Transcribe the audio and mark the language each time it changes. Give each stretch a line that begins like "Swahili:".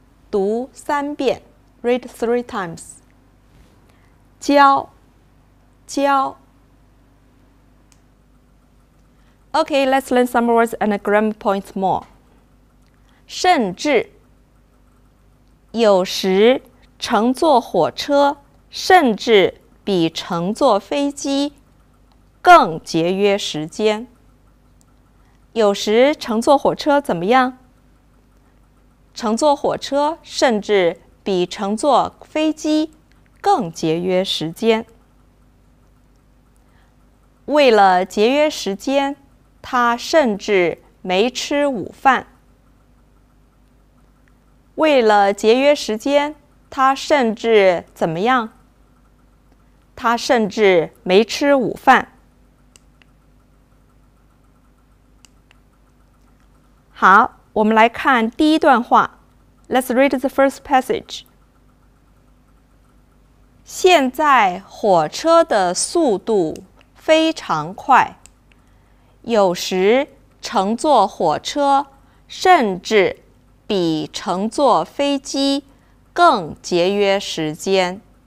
Chinese: 读三遍 ， read three times。教，教。
English: Okay, let's learn some words and grammar points more.
Chinese: 甚至，有时乘坐火车甚至比乘坐飞机更节约时间。有时乘坐火车怎么样？乘坐火车甚至比乘坐飞机更节约时间。为了节约时间，他甚至没吃午饭。为了节约时间，他甚至怎么样？他甚至没吃午饭。好，我们来看第一段话。
English: Let's read the first passage.
Chinese: 现在火车的速度非常快，有时乘坐火车甚至比乘坐飞机更节约时间。